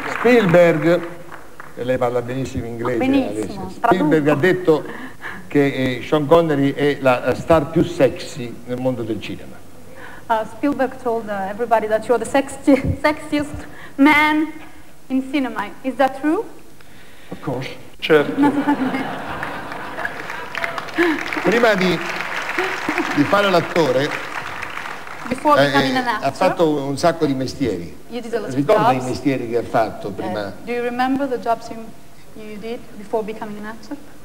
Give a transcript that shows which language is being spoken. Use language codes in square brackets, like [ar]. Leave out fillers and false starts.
[it] Spielberg, e lei parla benissimo inglese. Benissimo. Spielberg ha detto che Sean Connery è la star più sexy nel mondo del cinema. [en] Spielberg told everybody that you're the sexiest man in cinema. Is that true? Of course. [it] Certo. Prima di fare l'attore, ha fatto un sacco di mestieri. Ricorda i mestieri che ha fatto prima? [en] Do you remember the jobs you did before becoming an actor?